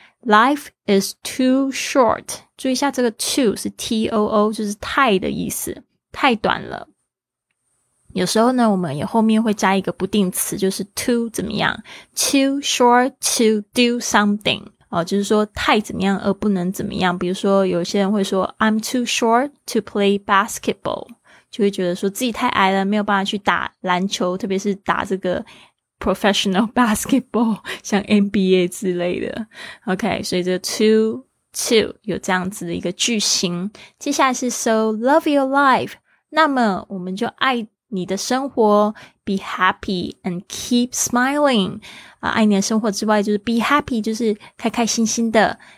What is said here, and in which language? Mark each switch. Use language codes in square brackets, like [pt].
[en] Life is too short. [zh] 注意一下这个 too 是 T-O-O, 就是太的意思。太短了。有时候呢我们也后面会加一个不定词，就是 too 怎么样。 [en] Too short to do something.、 [zh] 哦、就是说太怎么样而不能怎么样。比如说有些人会说 [en] I'm too short to play basketball. [zh] 就会觉得说自己太矮了，没有办法去打篮球，特别是打这个 [en] professional basketball, [zh] 像 NBA 之类的。 OK, 所以这个 too 有这样子的一个句型。接下来是 [en] so love your life, [zh] 那么我们就爱你的生活， [en] be happy and keep smiling,、 [zh] 爱你的生活之外就是 [en] be happy, [zh] 就是开开心心的。